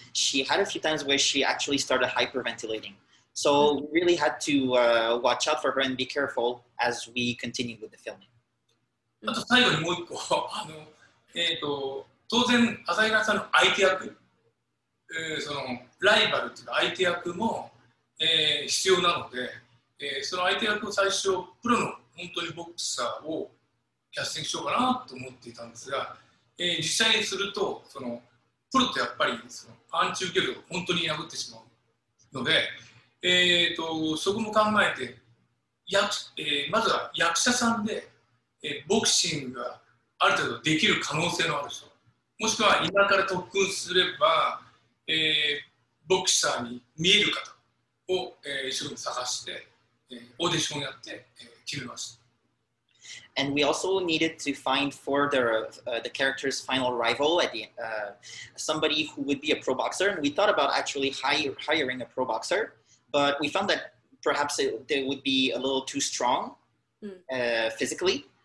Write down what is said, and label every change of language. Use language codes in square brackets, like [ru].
[en] She had a few times where she actually started hyperventilating. So we really had to watch out for her and be careful as we continue with the filming. [ja] あと最後にもう一個、当然 Asahina-san の相手役、そのライバルっていうか相手役も、必要なので、その相手役を最初プロの本当にボクサーをキャスティングしようかなと思っていたんですが、実際にするとそのプロってやっぱりそのパンチ受けると本当に破ってしまうので、そこも考えて役、まずは役者さんで、ボクシングがある程度できる可能性のある人、もしくは今から特訓すれば、ボクサーに見える方を、一緒に探して、オーディションをやって、 [en] And we also needed to find for the character's final rival at the, somebody who would be a pro boxer. And we thought about actually hiring a pro boxer, but we found that perhaps they would be a little too strong physically.